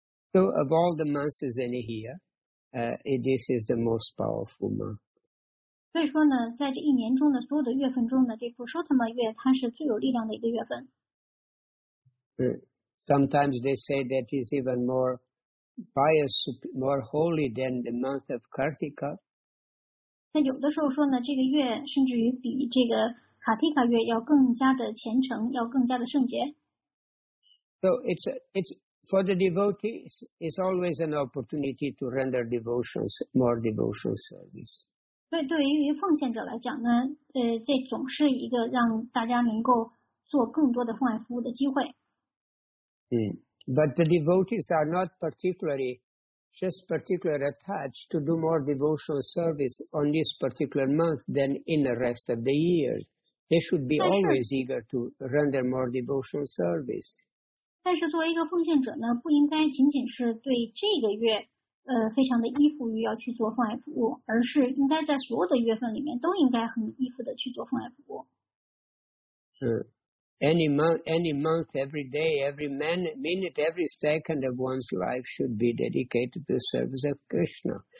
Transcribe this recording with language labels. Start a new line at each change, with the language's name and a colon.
English: So of all the months in here, this is the most powerful month.
Chinese: 所以说呢，在这一年中的所有的月份中呢，这部 Shottama 月它是最有力量的一个月份。
English: Sometimes they say that is even more pious, more holy than the month of Kartika.
Chinese: 在有的时候说呢，这个月甚至于比这个卡提卡月要更加的虔诚，要更加的圣洁。
English: So it's for the devotees, it's always an opportunity to render devotions, more devotional service.
Chinese: 对于奉献者来讲呢，这总是一个让大家能够做更多的奉献服务的机会。
English: But the devotees are not particularly attached to do more devotional service on this particular month than in the rest of the year. They should be always eager to render more devotional service.
Chinese: 但是作为一个奉献者呢，不应该仅仅是对这个月非常的依附于要去做奉献服务，而是应该在所有的月份里面都应该很依附的去做奉献服务。
English: Any month, every day, every minute, every second of one's life should be dedicated to the service of Krishna.